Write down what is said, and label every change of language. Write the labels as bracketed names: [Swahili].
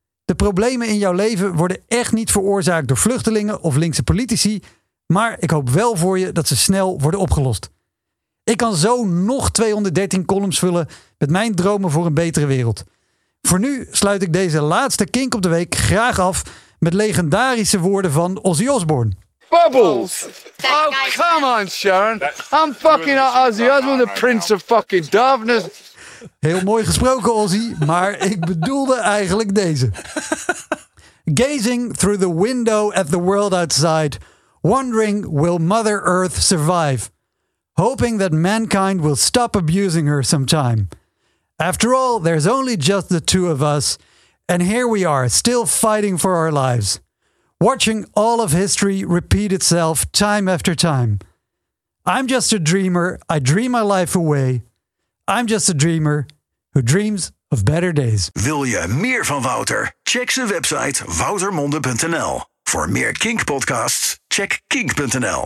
[Dutch] De problemen in jouw leven worden echt niet veroorzaakt door vluchtelingen of linkse politici, maar ik hoop wel voor je dat ze snel worden opgelost. Ik kan zo nog 213 columns vullen met mijn dromen voor een betere wereld. Voor nu sluit ik deze laatste Kink op de Week graag af met legendarische woorden van Ozzy Osbourne. [English] Bubbles! Oh, come on, Sharon. I'm fucking Ozzy Osbourne, the prince of fucking darkness. [Dutch] Heel mooi gesproken, Ozzy, maar ik bedoelde eigenlijk deze. [English] Gazing through the window at the world outside, wondering will Mother Earth survive, hoping that mankind will stop abusing her sometime. After all, there's only just the two of us, and here we are, still fighting for our lives, watching all of history repeat itself time after time. I'm just a dreamer, I dream my life away. I'm just a dreamer who dreams of better days. [Dutch] Wil je meer van Wouter? Check zijn website woutermonde.nl. Voor meer Kink podcasts, check kink.nl.